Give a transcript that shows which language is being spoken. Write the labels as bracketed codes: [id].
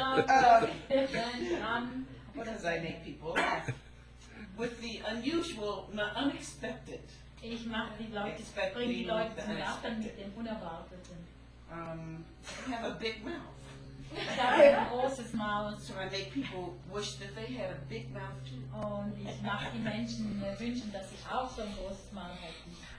[en] Because I make people laugh with the unusual, unexpected. [de] Ich mache die Leute, bringe die Leute zum Lachen mit dem Unerwarteten. [en] I have a big mouth. [de] Ich habe ein großes Maul. [en] So I make people wish that they had a big mouth too. [de] Und ich mache die Menschen wünschen, dass sie auch so ein großes Maul hätten.